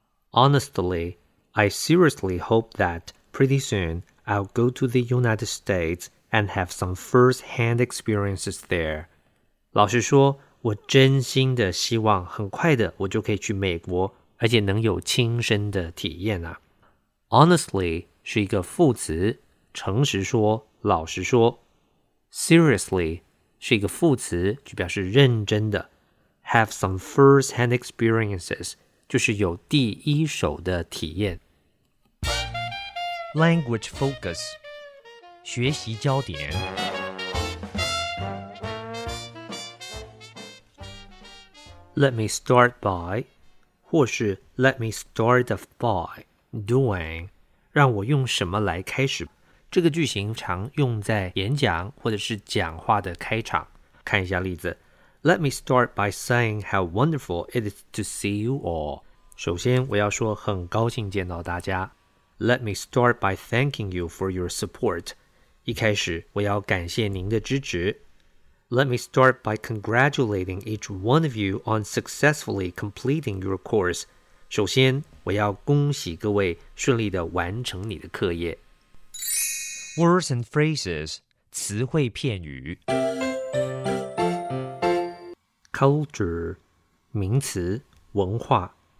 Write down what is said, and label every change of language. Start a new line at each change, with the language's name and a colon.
English: Honestly, I seriously hope that pretty soon I'll go to the United States and have some first-hand experiences there.
Chinese: 老实说，我真心的希望很快的我就可以去美国，而且能有亲身的体验啊。 Honestly 是一个副词，诚实说，老实说。 Seriously 是一个副词，就表示认真的。
English: Have some first-hand experiences,
Chinese: 就是有第一手的体验。
English: Language focus,
Chinese: 学习焦点。
English: Let me start by, 或是 let me start off by, doing,
Chinese: 让我用什么来开始。这个句型常用在演讲或者是讲话的开场。看一下例子。
English: Let me start by saying how wonderful it is to see you all.
Chinese: 首先我要说很高兴见到大家。
English: Let me start by thanking you for your support.
Chinese: 一开始我要感谢您的支持。
English: Let me start by congratulating each one of you on successfully completing your course.
Chinese: 首先我要恭喜各位顺利地完成你的课业。
English: Words and phrases,
Chinese: 词汇片语。 Culture, 名词，文化。